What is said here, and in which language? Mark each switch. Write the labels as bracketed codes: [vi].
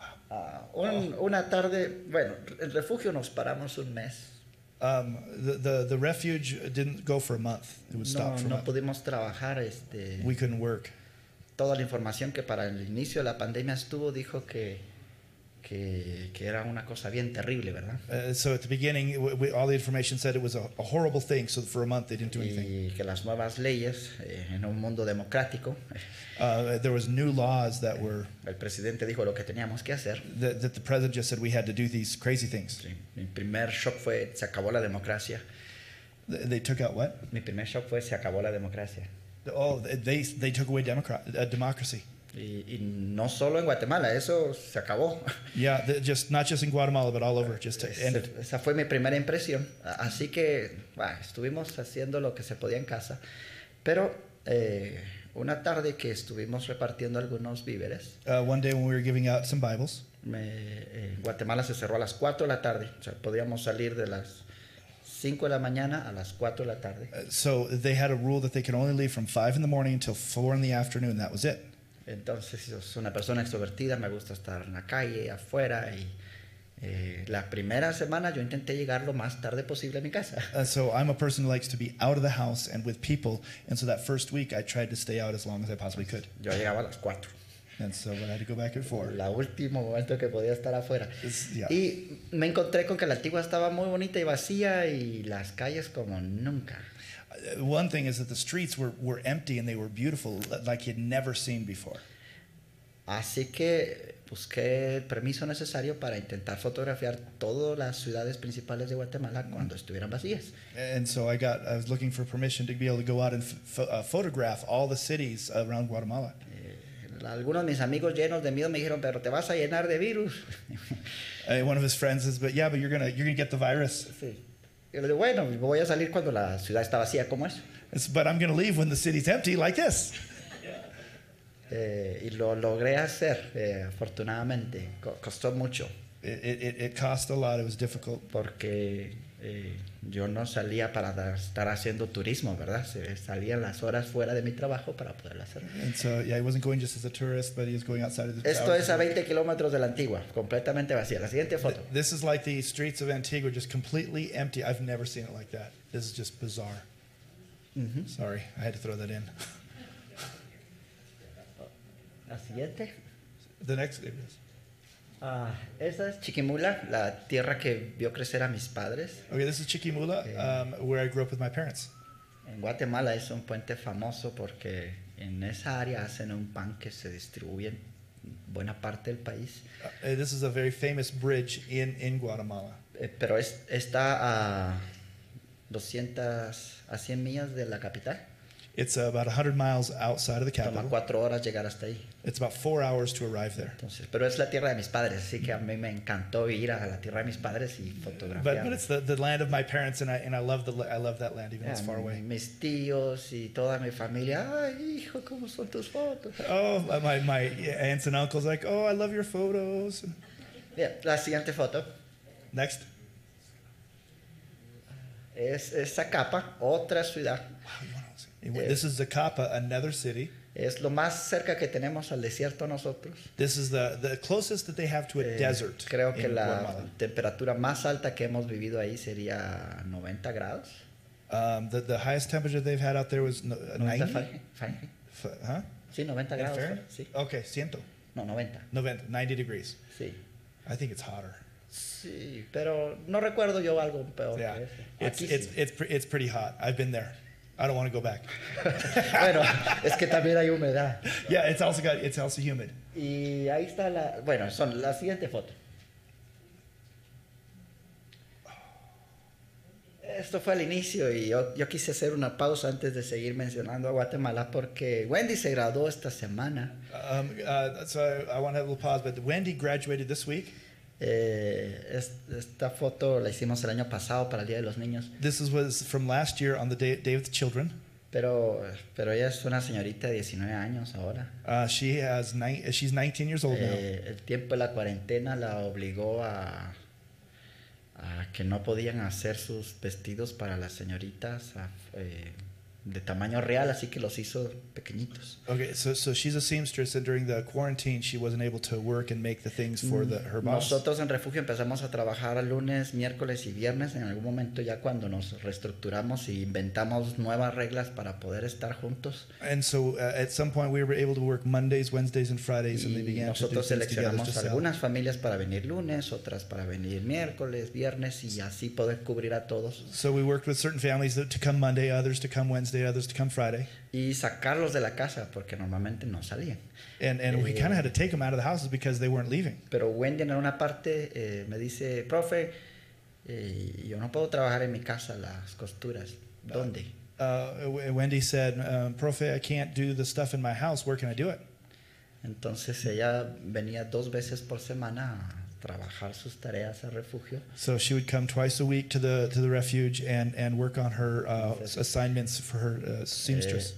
[es] Wow. Una tarde, bueno, el refugio nos paramos un mes. [en] The refuge didn't go for a month. It was stopped for a month. [es] No pudimos trabajar. [en] We couldn't work. [es] Toda la información que para el inicio de la pandemia estuvo dijo que era una cosa bien terrible, ¿verdad? [en] So at the beginning, all the information said it was a horrible thing, so for a month they didn't do anything. [es] Y que las nuevas leyes en un mundo democrático. [en] There was new laws that were... [es] El presidente dijo lo que teníamos que hacer. [en] That the president just said we had to do these crazy things. [es] Mi primer shock fue, se acabó la democracia. [en] They took out what? [es] Mi primer shock fue, se acabó la democracia. [en] They took away democracy. [es] Y no solo en Guatemala, eso se acabó. [en] Not just in Guatemala, but all over, just ended. [es] Esa fue mi primera impresión. Así que, estuvimos haciendo lo que se podía en casa. Pero una tarde que estuvimos repartiendo algunos víveres. [en] One day when we were giving out some Bibles. [es] Guatemala se cerró a las 4 de la tarde. O sea, podíamos salir de las 5 de la mañana a las 4 de la tarde. [en] So they had a rule that they could only leave from 5 in the morning until 4 in the afternoon. That was it. [es] Entonces, yo soy una persona extrovertida, me gusta estar en la calle, afuera, y la primera semana yo intenté llegar lo más tarde posible a mi casa. [en] So I'm a person who likes to be out of the house and with people, and so that first week I tried to stay out as long as I possibly could. [es] Yo llegaba a las 4. [en] And so I had to go back at 4. [es] La último momento que podía estar afuera. [en] Yeah. [es] Y me encontré con que la Antigua estaba muy bonita y vacía, y las calles como nunca. [en] One thing is that the streets were empty and they were beautiful, like you'd never seen before. [es] Así que busqué el permiso necesario para intentar fotografiar todas las ciudades principales de Guatemala cuando estuvieran vacías. [en] And so I was looking for permission to be able to go out and photograph all the cities around Guatemala. [es] Algunos de mis amigos llenos de miedo me dijeron, pero te vas a llenar de virus. [en] One of his friends says, but yeah, but you're gonna get the virus. [es] Sí. Yo le digo, bueno, voy a salir cuando la ciudad está vacía, ¿cómo es? [en] But I'm gonna leave when the city's empty, like this. [es] Y lo logré hacer, afortunadamente. Costó mucho. [en] It cost a lot. It was difficult. [es] Porque yo no salía para estar haciendo turismo, ¿verdad? Salían las horas fuera de mi trabajo para poderlo hacer. [en] And so, yeah, he wasn't going just as a tourist, but he was going outside of the. [es] Esto es a 20 kilómetros de la Antigua, completamente vacía. La siguiente foto. [en] This is like the streets of Antigua, just completely empty. I've never seen it like that. This is just bizarre. Mm-hmm. Sorry, I had to throw that in. [es] La siguiente. [en] The next one is. [es] Esa es Chiquimula, la tierra que vio crecer a mis padres. [en] Okay, this is Chiquimula, where I grew up with my parents. [es] En Guatemala es un puente famoso porque en esa área hacen un pan que se distribuye en buena parte del país. [en] This is a very famous bridge in Guatemala. [es] Pero está a 200 a 100 millas de la capital. [en] It's about 100 miles outside of the capital. [es] Toma 4 horas llegar hasta ahí. [en] It's about 4 hours to arrive there. [es] Entonces, pero es la tierra de mis padres, así que a mí me encantó ir a la tierra de mis padres y fotografiar. [en] But it's the land of my parents, and I love that land, even though it's far away. [es] Mis tíos y toda mi familia, ay hijo, ¿cómo son tus fotos? [en] Oh, my aunts and uncles like, oh, I love your photos. [es] Yeah, la siguiente foto. [en] Next. [es] Es esa capa, otra ciudad. [en] This is Zacapa, another city. [es] Es lo más cerca que tenemos al desierto nosotros. [en] This is the closest that they have to a desert. [es] Creo que la Guatemala. Temperatura más alta que hemos vivido ahí sería 90 grados. [en] The highest temperature they've had out there was 90? 90 Fahrenheit. Huh? [es] Sí, 90 grados. Sí. [en] Okay, 100. [es] No, 90. [en] 90 degrees. [es] Sí. [en] I think it's hotter. [es] Sí, pero no recuerdo yo algo peor que ese. [en] It's pretty hot. I've been there. I don't want to go back. [es] Bueno, es que también hay humedad. [en] Yeah, it's also humid. [es] Y ahí está la, bueno, son la siguiente foto. Esto fue el inicio y yo quise hacer una pausa antes de seguir mencionando a Guatemala porque Wendy se graduó esta semana. [en] So I want to have a little pause, but Wendy graduated this week. [es] Esta foto la hicimos el año pasado para el Día de los Niños. [en] This was from last year on the Day of the Children. [es] Pero ella es una señorita de 19 años ahora. [en] She's 19 years old now. [es] El tiempo de la cuarentena la obligó a que no podían hacer sus vestidos para las señoritas de tamaño real, así que los hizo pequeñitos. [en] Okay, so she's a seamstress, and during the quarantine, she wasn't able to work and make the things for her boss. [es] Nosotros en refugio empezamos a trabajar lunes, miércoles y viernes. En algún momento ya cuando nos reestructuramos y inventamos nuevas reglas para poder estar juntos. [en] And so at some point we were able to work Mondays, Wednesdays, and Fridays, and they began to do things together. [es] Nosotros seleccionamos algunas familias para venir lunes, otras para venir miércoles, viernes, y así poder cubrir a todos. [en] So we worked with certain families to come Monday, others to come Wednesday. Day, others to come Friday. [es] Y sacarlos de la casa porque normalmente no salían. [en] And we kind of had to take them out of the houses because they weren't leaving. [es] Pero Wendy en una parte me dice, profe, yo no puedo trabajar en mi casa las costuras. ¿Dónde? [en] Wendy said, profe, I can't do the stuff in my house. Where can I do it? [es] Entonces ella venía dos veces por semana trabajar sus tareas al refugio. [en] So she would come twice a week to the refuge and work on her assignments for her seamstress.